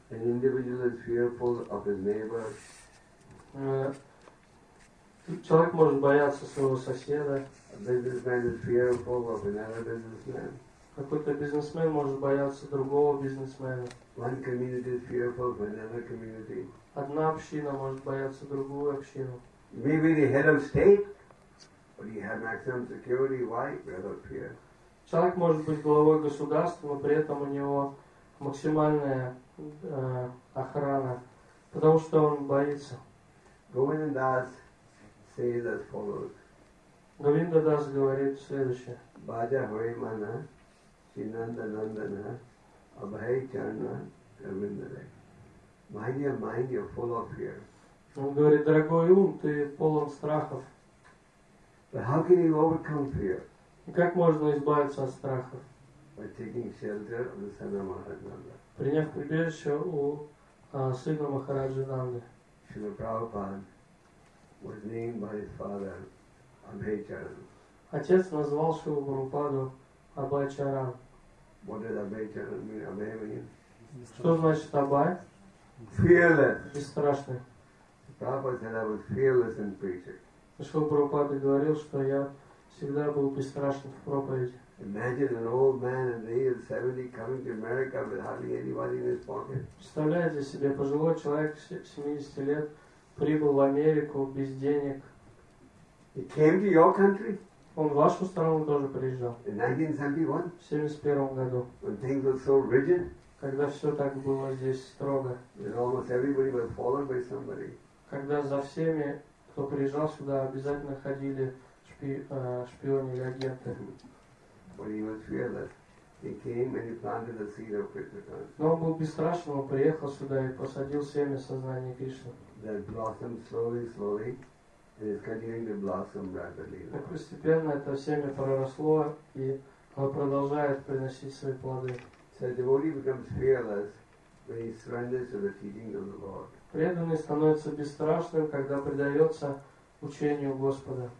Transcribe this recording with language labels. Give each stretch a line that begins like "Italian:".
English: An individual is fearful of his neighbor.
Russian: Человек может бояться своего соседа.
English: A businessman is fearful of another businessman.
Russian: Какой-то бизнесмен может бояться другого бизнесмена.
English: One community is fearful of another community.
Russian: Одна община может бояться другую общину.
English: Maybe the head of state, but he has maximum security. Why? Rather fear.
Russian: Человек может быть главой государства, но при этом у него максимальная охрана, потому что он боится.
English: Govindadas says as follows.
Russian: Govindadas говорит следующее.
Bangla: Bhaja hoy mana, chinanda nandana, abhay charna, govindare.
English: Mind you're full of fear.
Russian: Он говорит, дорогой ум, ты полон страхов.
English: But how can you overcome fear?
Russian: Как можно избавиться от страха?
English: By taking shelter of the Sana Mahajananda.
Russian: Приняв прибежище у сына Махараджананды.
English: Srila Prabhupada was named by his father Abhay Charan.
Russian: Отец назвал Шрилу Прабхупаду Абхай Чаран.
English: What does Abhay Charan mean? Abhay means?
Russian: Что значит Абхай?
English: Fearless.
Russian: Бесстрашный.
English: Prabhupada said I was fearless in preaching.
Russian: Шрилу Прабхупада говорил, что я всегда был бесстрашен в проповеди.
English: Imagine an old man at age 70 coming to America with hardly anybody in his pocket.
Russian: Представляете себе, пожилой человек 70 лет прибыл в Америку без денег.
English: He came to your country?
Russian: Он в вашу страну тоже приезжал.
English: In 1971?
Russian: В 71 году.
English: When things were so rigid?
Russian: Когда все так было здесь строго.
English: When almost everybody was followed by somebody.
Russian: Когда за всеми, кто приезжал сюда, обязательно ходили шпионы или агенты.
English: But he was fearless. He came and he planted the seed of Krishna consciousness.
Russian: Но он был бесстрашен, он приехал сюда и посадил семя сознания Кришны.
English: That blossomed slowly, slowly, and is continuing to blossom rapidly.
Russian: И постепенно это семя проросло, и оно продолжает приносить свои плоды.
English: So the devotee becomes fearless when he surrenders to the teaching of the Lord.
Russian: Преданный становится бесстрашным, когда предается учению Господа.